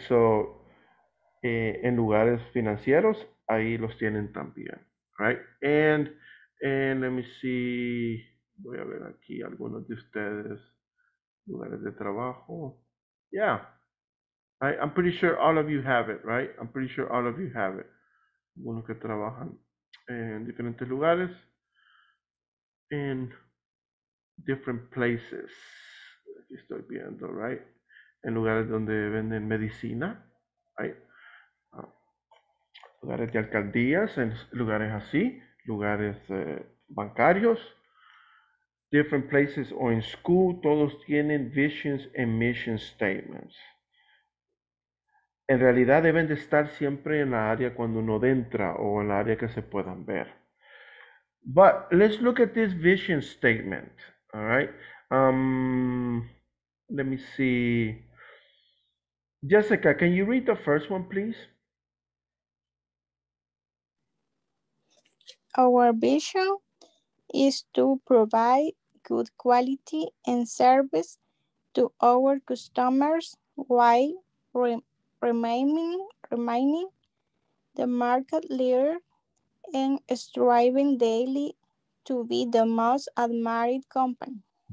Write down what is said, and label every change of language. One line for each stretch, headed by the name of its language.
Spanish: So, en lugares financieros, ahí los tienen también,
English: right? And let me see.
Spanish: Voy a ver aquí algunos de ustedes. Lugares de trabajo. Yeah.
English: Right? I'm pretty sure all of you have it, right? I'm pretty sure all of you have it.
Spanish: Algunos que trabajan en diferentes lugares.
English: In different places.
Spanish: Aquí estoy viendo, right? En lugares donde venden medicina, right? Lugares de alcaldías, en lugares así, lugares bancarios.
English: Different places or in school,
Spanish: todos tienen
English: visions and mission statements.
Spanish: En realidad deben de estar siempre en la área cuando uno entra o en la área que se puedan ver.
English: But let's look at this vision statement, all right? Let me see. Jessica, can you read the first one, please? Our vision is to provide good quality and service to our customers while remaining the market leader and striving daily to be the most admired company.